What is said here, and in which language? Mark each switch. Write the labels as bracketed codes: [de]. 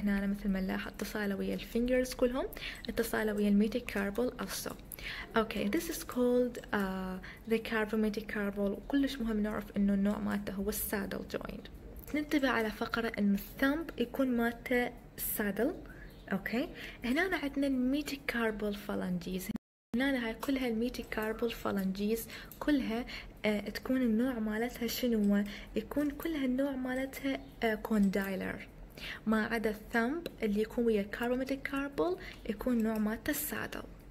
[ar] هنا أنا مثل ما لاحظ اتصاله ويا [en] the fingers [ar] كلهم، اتصاله ويا the metacarbal also. [en] Okay, this is called the carpometacarbal. [ar] كلش مهم نعرف إنه النوع ماته هو السادل joint. ننتبه على فقرة إن الثامب يكون مات السادل. اوكي هنا عندنا الميتيكاربل فالانجيز. هنا هاي كلها الميتيكاربل فالانجيز كلها تكون النوع مالتها شنو، يكون كلها النوع مالتها كوندايلر، ما عدا الثامب اللي يكون ويا الكاربوميتيكاربل يكون نوع مالته السادل.